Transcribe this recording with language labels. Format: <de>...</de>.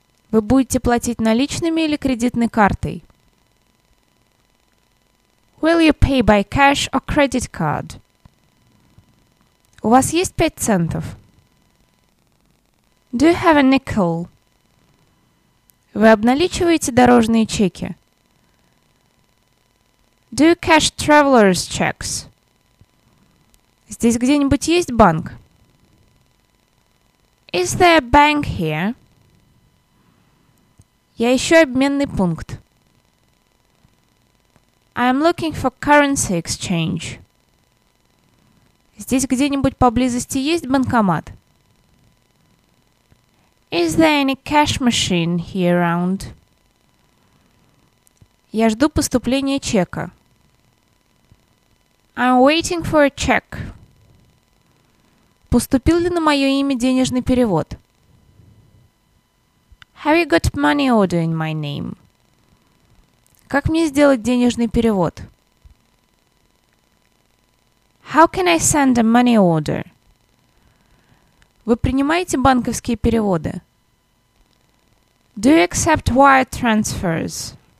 <ru>Вы будете платить наличными или кредитной картой?</ru> <en>Will you pay by cash or credit card?</en> <ru>У вас есть 5 центов?</ru> <en>Do you have a nickel?</en> <ru>Вы обналичиваете дорожные чеки?</ru> <en>Do you cash traveler's checks?</en> <ru>Здесь где-нибудь есть банк?</ru> <en>Is there a bank here?</en> <ru>Я ищу обменный пункт.</ru> <en>I am looking for currency exchange.</en> <ru>Здесь где-нибудь поблизости есть банкомат?</ru> <en>Is there any cash machine here around?</en> <ru>Я жду поступления чека.</ru> <en>I'm waiting for a check.</en> <ru>Поступил ли на мое имя денежный перевод?</ru> <en>Have you got money order in my name?</en> <ru>Как мне сделать денежный перевод?</ru> <en>How can I send a money order?</en> <ru>Вы принимаете банковские переводы?</ru> <en>Do you accept wire transfers?</en>